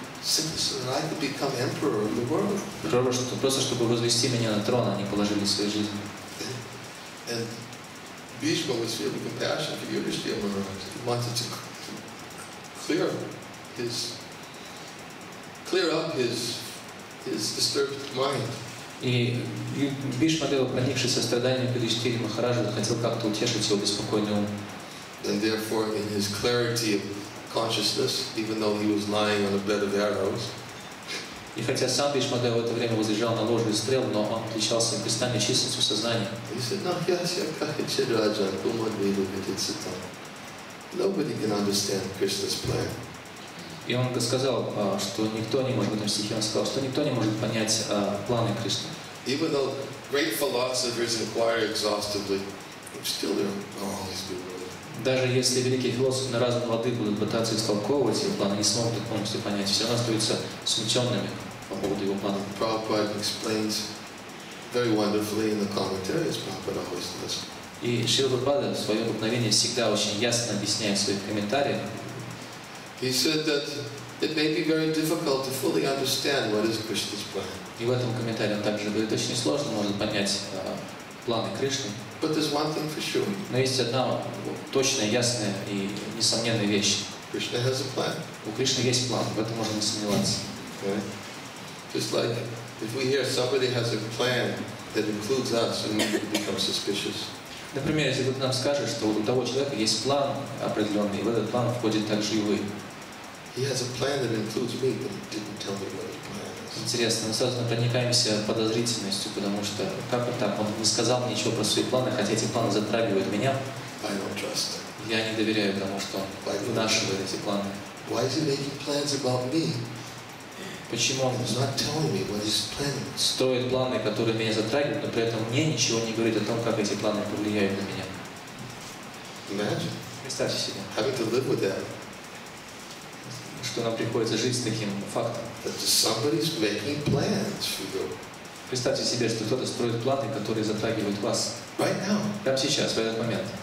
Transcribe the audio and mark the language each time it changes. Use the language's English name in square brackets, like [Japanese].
[English] So that I could become emperor of the world. [Russian] Просто чтобы возвести меня на трон, они положили свою жизнь. [English] And Bhishma was feeling compassion for Yudhishthira Maharaj. He wanted to clear up his disturbed mind. [Russian] И Бхишма Дева, проникший состраданием к Юдхиштхире Махараджу, хотел как-то утешить его беспокойный ум. [English] And therefore, in his clarity of consciousness, even though he was lying on a bed of arrows. [Russian] И хотя сам Бхишма Дева в это время возлежал на ложе из стрел, но он отличался кристальной чистостью сознания. [English] He said, [Sanskrit] "Nahyasya kahichiraja kumadvedu viditsita." [English] Nobody can understand Krishna's plan. [Russian] И он сказал, что никто не может, в этом стихе он сказал, что никто не может понять планы Кришны. [English] Even though great philosophers inquire exhaustively, still there are all these people. [Russian] Даже если великие философы на разные лады будут пытаться истолковывать его планы, не смогут их полностью понять, все равно остаются смутенными по поводу его планов. [English] Prabhupada explains very wonderfully in the commentaries, Prabhupada always does. [Russian] И Шрила Прабхупада в своем обыкновении всегда очень ясно объясняет в своих комментариях. [English] He said that it may be very difficult to fully understand what is Krishna's plan. [Russian] И в этом комментарии он также говорит, очень сложно может понять планы Кришны. [English] But there's one thing for sure. [Russian] Но есть одна точная, ясная и несомненная вещь. [English] Krishna has a plan. [Russian] У Кришны есть план, в этом можно не сомневаться. [English] Just like if we hear somebody has a plan that includes us, we become suspicious. [Russian] Например, если кто-то нам скажет, что у того человека есть план определенный, и в этот план входит также и вы. [English] He has a plan that includes me, but he didn't tell me what his plan is. [Russian] Интересно, мы сразу проникаемся подозрительностью, потому что как вот так, он не сказал мне ничего про свои планы, хотя эти планы затрагивают меня. [English] I don't trust. [Russian] Я не доверяю тому, что он вынашивает эти планы. [English] Why is he making plans about me? [Russian] Почему он [English] He's not telling me what he's planning. [Russian] Строит планы, которые меня затрагивают, но при этом мне ничего не говорит о том, как эти планы повлияют на меня. [English] Imagine. [Russian] Представьте себе. [English] Having to live with that. [Russian] Что нам приходится жить с таким фактом. [English] That somebody's making plans for you. [Russian] Представьте себе, что кто-то строит планы, которые затрагивают вас. [English] Right now. [Russian] Прямо сейчас, в этот момент.